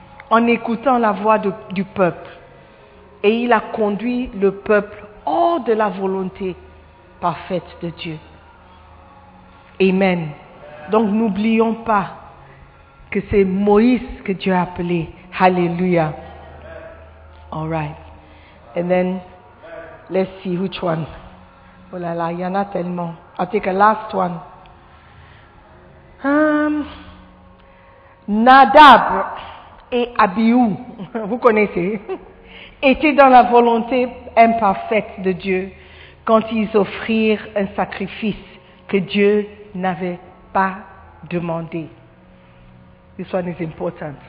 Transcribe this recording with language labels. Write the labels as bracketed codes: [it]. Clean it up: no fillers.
[fr] en écoutant la voix du peuple. Et il a conduit le peuple hors de la volonté parfaite de Dieu. Amen. Donc n'oublions pas que c'est Moïse que Dieu a appelé. [en] Alléluia. All right. And then, let's see which one. [fr] Oh là là, il y en a tellement. [en] I'll take a last one. [fr] Nadab et Abihu, vous connaissez, étaient dans la volonté imparfaite de Dieu quand ils offrirent un sacrifice que Dieu n'avait pas demandé. [en] This one is important.